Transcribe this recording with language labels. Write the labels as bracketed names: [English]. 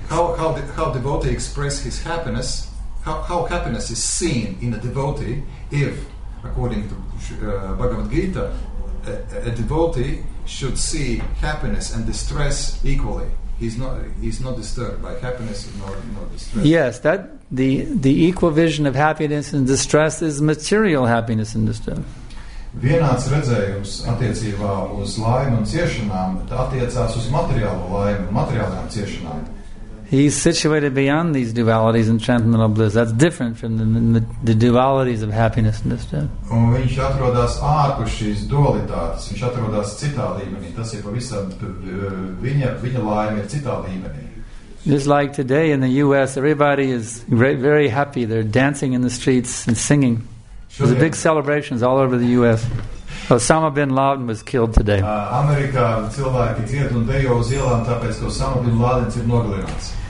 [English] How devotee express his happiness, how happiness is seen in a devotee if, according to Bhagavad Gita, a devotee should see happiness and distress equally. He's not disturbed by happiness nor distress. Yes, that the equal vision of happiness and distress is material happiness and distress. [Latvian] Vienāds redzējums attiecībā uz laimi un ciešanām attiecās uz materiālo laimi un materiālām ciešanām. [English] He's situated beyond these dualities in transcendental bliss. That's different from the dualities of happiness and distress. [Latvian] Un viņš atrodas ārpus šīs dualitātes. Viņš atrodas citā līmenī. Tas ir pavisam, viņa laime ir citā līmenī. [English] Just like today in the U.S., everybody is very happy. They're dancing in the streets and singing. There's a big celebrations all over the U.S. Osama bin Laden was killed today. [Latvian] Amerikā cilvēki dzied un dejo uz ielām, tāpēc ka Osama bin Ladens ir nogalināts.